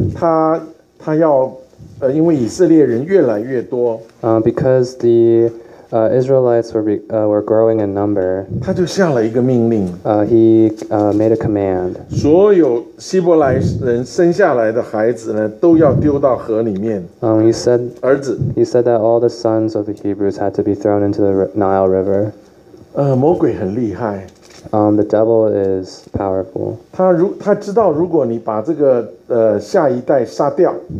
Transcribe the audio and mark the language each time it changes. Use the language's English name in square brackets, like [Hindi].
[Chinese] 他要因为以色列人越来越多、 [English] because theIsraelites were growing in number. [Chinese] 他就下了一个命令。 [English] He made a command. [Chinese] 所有希伯来人生下来的孩子呢，都要丢到河里面。儿子。 [English] He said that all the sons of the Hebrews had to be thrown into the Nile River. [Chinese] 魔鬼很厉害。 [English] The devil is powerful. [Chinese] 他知道如果你把这个下一代杀掉。